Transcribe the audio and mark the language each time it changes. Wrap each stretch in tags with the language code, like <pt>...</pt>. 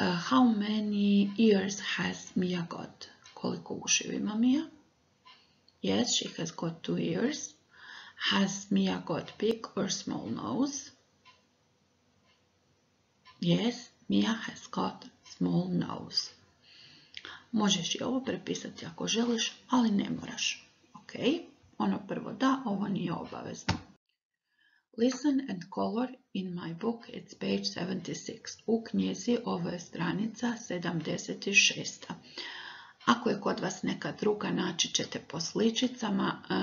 <en>How many ears has Mia got?</en> <hr>Koliko ušiju ima Mia?</hr> <en>Yes, she has got two ears. Has Mia got big or small nose? Yes, Mia has got small nose.</en> <hr>Možeš i ovo prepisati ako želiš, ali ne moraš. Ok, ono prvo da, ovo nije obavezno.</hr> <en>Listen and color in my book, it's page 76.</en> <hr>U knjizi, ovo je stranica 76. Ako je kod vas neka druga, naći ćete po sličicama.</hr>